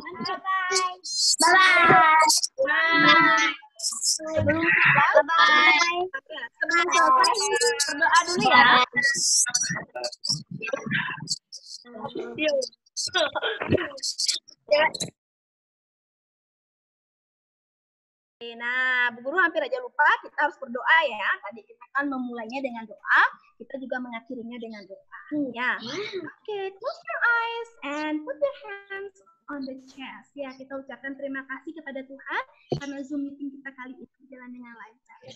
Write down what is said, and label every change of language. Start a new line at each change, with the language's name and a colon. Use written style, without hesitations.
Indonesian: Semuanya bye. Nah, Bu Guru hampir aja lupa, kita harus berdoa ya. Tadi kita kan memulainya dengan doa, kita juga mengakhirinya dengan doa. Ya.
English: Oke, close your eyes and put your hands on the chest.
Indonesian: Ya, kita ucapkan terima kasih kepada Tuhan karena Zoom meeting kita kali ini berjalan dengan lancar.